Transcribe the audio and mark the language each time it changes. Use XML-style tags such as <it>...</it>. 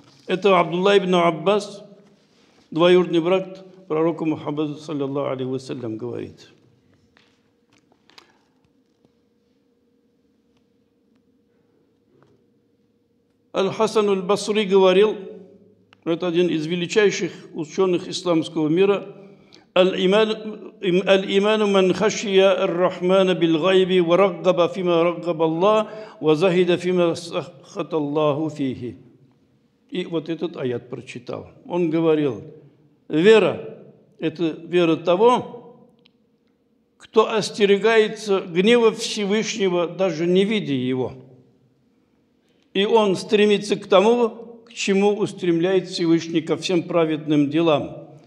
<ru>Это Абдулла ибн Аббас, двоюродный брат пророка Мухаммада, саллиллаху алейхи ва саллям, говорит. Аль-Хасан аль-Басри говорил, это один из величайших ученых исламского мира,</ru> <ar>الإيمان من خشي الرحمن بالغيب ورغب فيما رغب الله وزهد فيما سخط الله فيه.</ar> <ru>И вот этот аят прочитал. Он говорил: вера – это вера того, кто остерегается гнева Всевышнего, даже не видя его. И он стремится к тому, к чему устремляет Всевышний ко всем праведным делам.</ru>